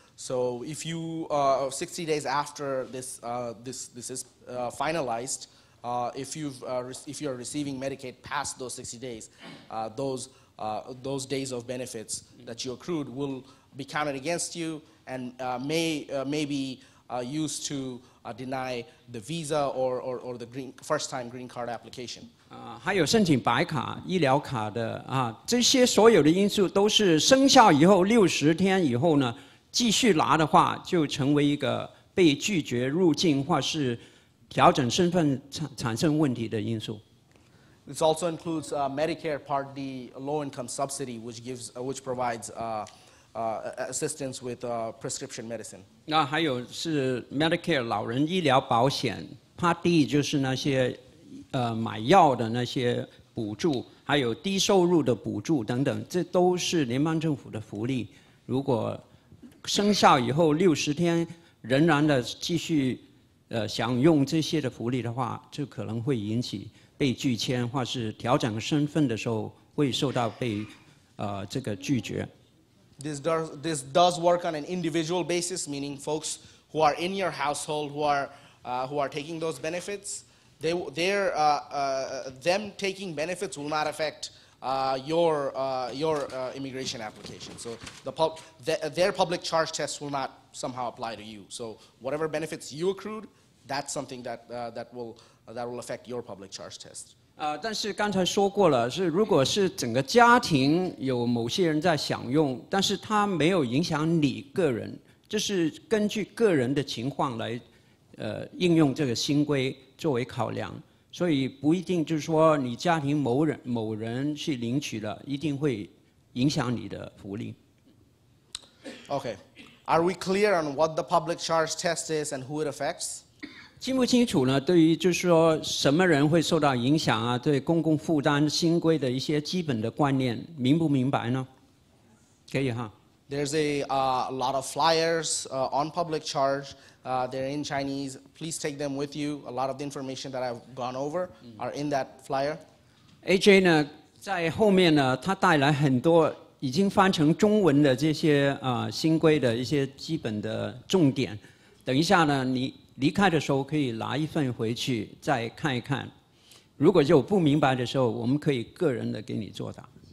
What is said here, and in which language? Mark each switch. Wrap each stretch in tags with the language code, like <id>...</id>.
<en>So if you, 60 days after this is finalized, if you're receiving Medicaid past those 60 days, those days of benefits that you accrued will be counted against you and may be used to deny the visa or the first time green card application.</en> <zh>还有申请白卡、医疗卡的啊，这些所有的因素都是生效以后六十天以后呢，继续拿的话就成为一个被拒绝入境或是调整身份产生问题的因素。</zh> <en>This also includes Medicare Part D low income subsidy, which provides assistance with prescription medicine.</en> <zh>那还有是 Medicare 老人医疗保险 Part D 就是那些。买药的那些补助，还有低收入的补助等等，这都是联邦政府的福利。如果生效以后六十天仍然的继续享用这些的福利的话，就可能会引起被拒签，或是调整身份的时候会受到被这个拒绝。</zh> <en>This does work on an individual basis, meaning folks who are in your household who are taking those benefits. Them taking benefits will not affect your immigration application. So their public charge test will not somehow apply to you. So whatever benefits you accrued, that's something that will affect your public charge test.</en> <zh>但是刚才说过了，是如果是整个家庭有某些人在享用，但是他没有影响你个人，这是根据个人的情况来应用这个新规作为考量，所以不一定就是说你家庭某人去领取了一定会影响你的福利。</zh> <en>Okay, are we clear on what the public charge test is and who it affects?</en> <zh>清不清楚呢？对于就是说什么人会受到影响啊，对公共负担新规的一些基本的观念明不明白呢？可以哈。</zh> <en>There's a lot of flyers on public charge. They're in Chinese. Please take them with you. A lot of the information that I've gone over are in that flyer.</en> <zh>AJ 呢，在后面呢，他带来很多已经翻成中文的这些新规的一些基本的重点。等一下呢，你离开的时候可以拿一份回去再看一看。如果有不明白的时候，我们可以个人的给你作答。</zh>